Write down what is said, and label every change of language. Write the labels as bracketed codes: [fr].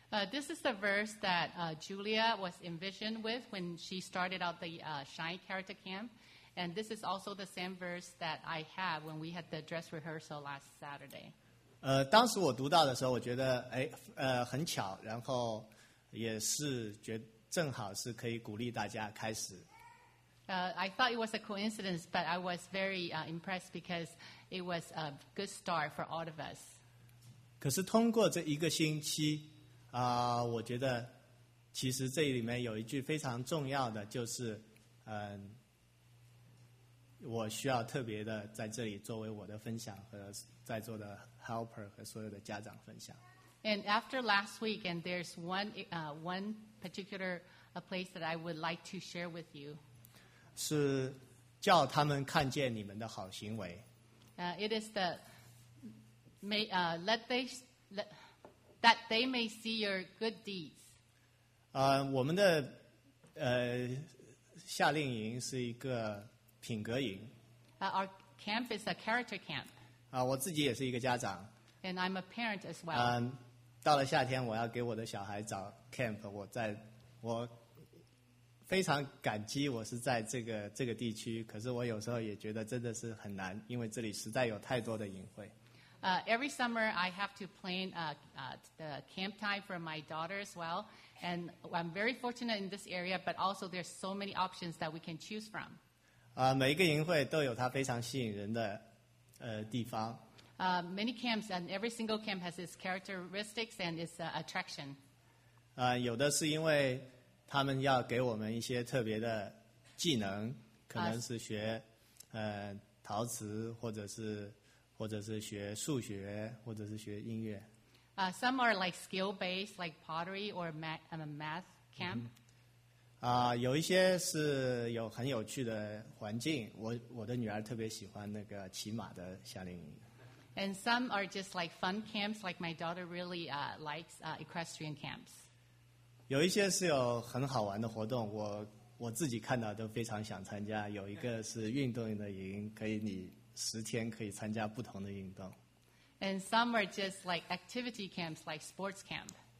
[en] This is the verse that Julia was envisioned with when she started out the Shine Character Camp, and this is also the same verse that I have when we had the dress rehearsal last Saturday. [zh] 当时我读到的时候，我觉得很巧，然后也是觉得正好是可以鼓励大家开始。 [en] I thought it was a coincidence, but I was very impressed because it was a good start for all of us. [zh] 可是通过这一个星期，我觉得其实这里面有一句非常重要的，就是我需要特别的在这里作为我的分享和在座的 helper 和所有的家长分享。 [en] And after last week, and there's one particular place that I would like to share with you. [zh] 是叫他们看见你们的好行为。 [en] It is the may that they may see your good deeds. [zh] 我们的夏令营是一个品格营。 [en] Our camp is a character camp. [zh] 我自己也是一个家长。 [en] And I'm a parent as well. [zh] 到了夏天，我要给我的小孩找 camp。我非常感激，我是在这个地区。可是我有时候也觉得真的是很难，因为这里实在有太多的营会。 [en] Every summer I have to plan the camp time for my daughter as well, and I'm very fortunate in this area. But also, there's so many options that we can choose from. [zh] 每一个营会都有它非常吸引人的地方。 [en] Many camps and every single camp has its characteristics and its attraction. [zh] 有的是因为他们要给我们一些特别的技能，可能是学陶瓷，或者是学数学，或者是学音乐。 [en] Some are like skill based, like pottery or math camp. [zh] 有一些是有很有趣的环境。我的女儿特别喜欢那个骑马的夏令营。 [en] And some are just like fun camps, like my daughter really likes equestrian camps. [zh] 有一些是有很好玩的活动，我自己看到都非常想参加。有一个是运动的营，可以你十天可以参加不同的运动。 [en] And some are just like activity camps, like sports camp.